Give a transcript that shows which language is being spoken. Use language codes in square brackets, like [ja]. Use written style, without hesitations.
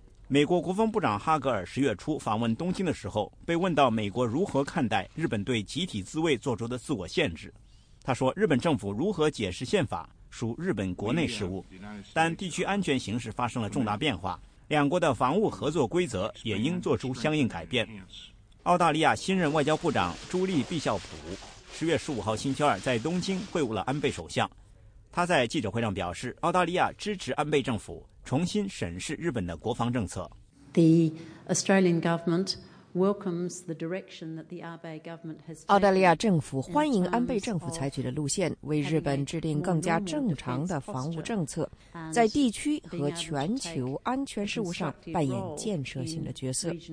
[zh] 美国国防部长哈格尔十月初访问东京的时候，被问到美国如何看待日本对集体自卫做出的自我限制，他说日本政府如何解释宪法属日本国内事务，但地区安全形势发生了重大变化，两国的防务合作规则也应做出相应改变。澳大利亚新任外交部长朱莉·毕肖普10月15号星期二在东京会晤了安倍首相，他在记者会上表示，澳大利亚支持安倍政府重新审视日本的国防政策。 [en] The Australian governmentWelcomes the direction that the Abe government has taken. [zh] 澳大利亚政府欢迎安倍政府采取的路线，为日本制定更加正常的防务政策，在地区和全球安全事务上扮演建设性的角色。